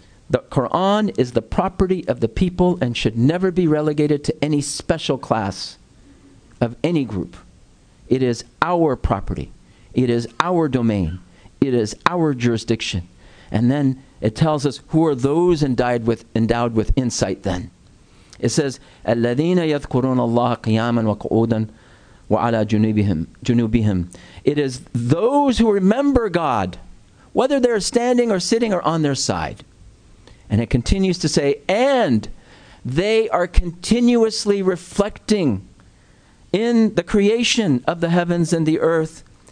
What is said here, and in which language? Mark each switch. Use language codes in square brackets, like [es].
[en] The Quran is the property of the people and should never be relegated to any special class of any group. It is our property. It is our domain. It is our jurisdiction. And then it tells us, who are those endowed with insight then? It says, [ar] الَّذِينَ يَذْكُرُونَ اللَّهَ قِيَامًا وَقُعُودًا وَعَلَى جُنُوبِهِمْ. [en] It is those who remember God, whether they're standing or sitting or on their side. And it continues to say, and they are continuously reflecting in the creation of the heavens and the earth.